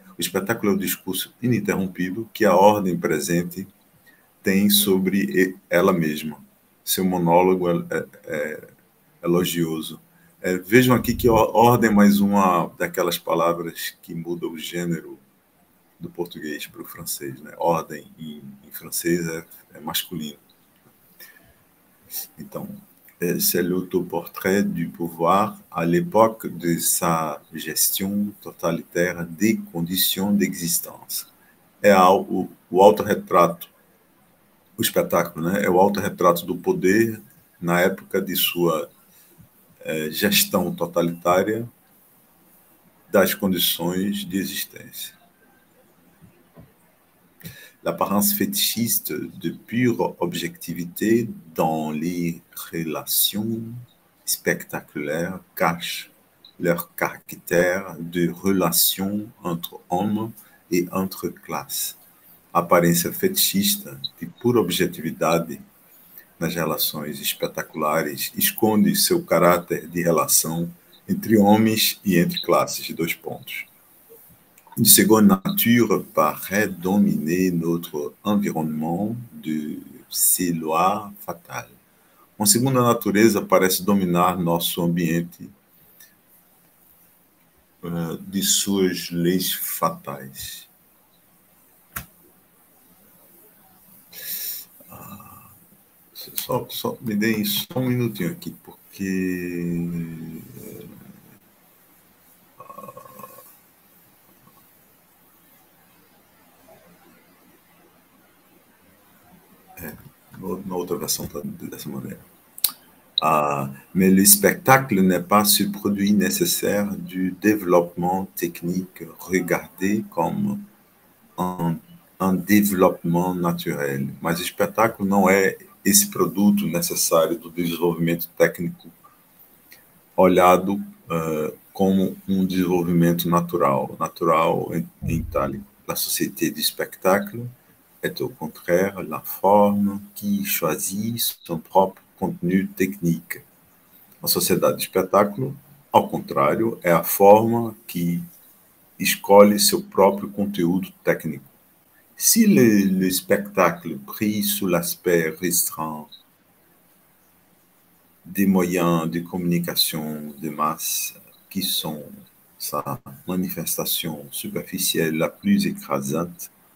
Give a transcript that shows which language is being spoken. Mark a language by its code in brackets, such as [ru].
[pt] O espetáculo é o discurso ininterrompido que a ordem presente tem sobre ela mesma. Seu monólogo é elogioso. Vejam aqui que ordem é mais uma daquelas palavras que muda o gênero do português para o francês, né? Ordem em francês é masculino. [fr] Então, c'est l'autoportrait du pouvoir à l'époque de sa gestion totalitaire des conditions d'existence. [pt] É o autorretrato, o espetáculo, né? É o autorretrato do poder na época de sua gestão totalitária das condições de existência. [fr] L'apparence fétichiste de pure objectivité dans les relations spectaculaires cache leur caractère de relation entre hommes et entre classes. [pt] Aparência fétichiste de pura objetividade nas relações espetaculares esconde seu caráter de relação entre homens e entre classes. Dois pontos. [fr] Une seconde nature paraît dominer notre environnement de ses lois fatales. [pt] Uma segunda natureza parece dominar nosso ambiente de suas leis fatais. Só me deem só um minutinho aqui, porque... Na outra versão tá dessa maneira. [fr] Mais le spectacle n'est pas ce produit nécessaire du développement technique regardé comme un développement naturel. [pt] Mas o espetáculo não é esse produto necessário do desenvolvimento técnico olhado como um desenvolvimento natural em Itália. [fr] La société du spectacle est au contraire la forme qui choisit son propre contenu technique. [pt] A sociedade de espetáculo, ao contrário, é a forma que escolhe seu próprio conteúdo técnico. [fr] Si le spectacle pris sous l'aspect restreint des moyens de communication de masse qui sont sa manifestation superficielle la plus écrasante,